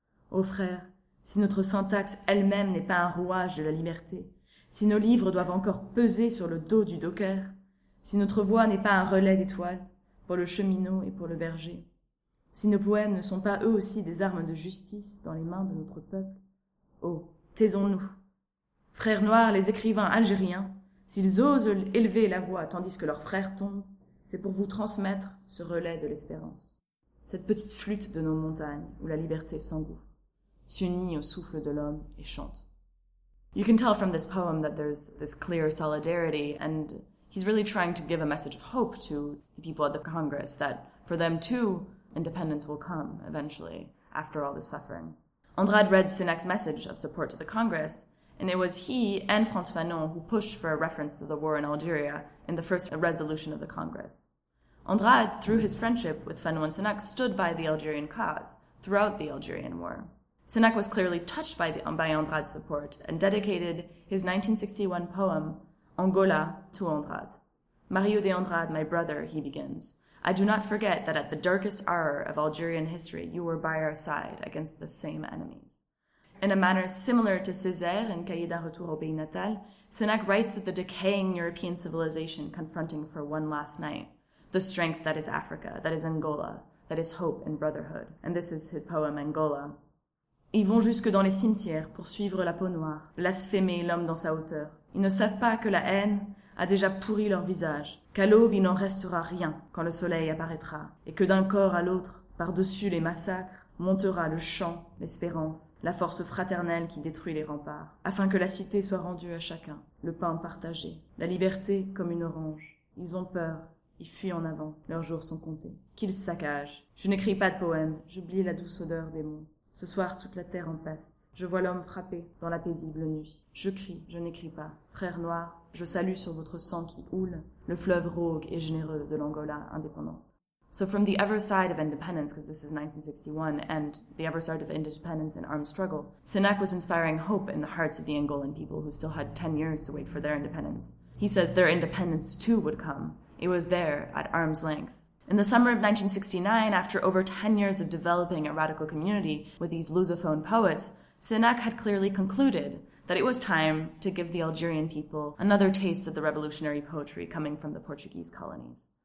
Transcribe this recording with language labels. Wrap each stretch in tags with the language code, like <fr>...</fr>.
<fr>Ô frères, si notre syntaxe elle-même n'est pas un rouage de la liberté, si nos livres doivent encore peser sur le dos du docker, si notre voix n'est pas un relais d'étoiles pour le cheminot et pour le berger, si nos poèmes ne sont pas eux aussi des armes de justice dans les mains de notre peuple, oh, taisons-nous. Frères noirs, les écrivains algériens, s'ils osent élever la voix tandis que leurs frères tombent, c'est pour vous transmettre ce relais de l'espérance. Cette petite flûte de nos montagnes où la liberté s'engouffre, s'unit au souffle de l'homme et chante.</fr> <en>You can tell from this poem that there's this clear solidarity, and he's really trying to give a message of hope to the people at the Congress that for them too, independence will come eventually after all this suffering. Andrade read Sénac's message of support to the Congress, and it was he and Frantz Fanon who pushed for a reference to the war in Algeria in the first resolution of the Congress. Andrade, through his friendship with Fanon and Sénac, stood by the Algerian cause throughout the Algerian war. Sénac was clearly touched by Andrade's support and dedicated his 1961 poem, Angola, to Andrade. Mario de Andrade, my brother, he begins, I do not forget that at the darkest hour of Algerian history, you were by our side against the same enemies. In a manner similar to Césaire in Cahiers d'un retour au pays natal, Sénac writes of the decaying European civilization confronting for one last night the strength that is Africa, that is Angola, that is hope and brotherhood. And this is his poem, Angola.</en> <fr>Ils vont jusque dans les cimetières pour suivre la peau noire, blasphémer l'homme dans sa hauteur. Ils ne savent pas que la haine a déjà pourri leur visage, qu'à l'aube il n'en restera rien quand le soleil apparaîtra, et que d'un corps à l'autre, par-dessus les massacres, montera le chant, l'espérance, la force fraternelle qui détruit les remparts, afin que la cité soit rendue à chacun, le pain partagé, la liberté comme une orange. Ils ont peur, ils fuient en avant, leurs jours sont comptés. Qu'ils saccagent. Je n'écris pas de poème, j'oublie la douce odeur des mots. Ce soir, toute la terre en peste. Je vois l'homme frappé dans la paisible nuit. Je crie, je n'écris pas. Frères noirs, je salue sur votre sang qui houle le fleuve rogue et généreux de l'Angola indépendante.</fr> <en>So from the other side of independence, because this is 1961, and the other side of independence and armed struggle, Sénac was inspiring hope in the hearts of the Angolan people who still had 10 years to wait for their independence. He says their independence too would come. It was there, at arm's length. In the summer of 1969, after over 10 years of developing a radical community with these Lusophone poets, Sénac had clearly concluded that it was time to give the Algerian people another taste of the revolutionary poetry coming from the Portuguese colonies.</en>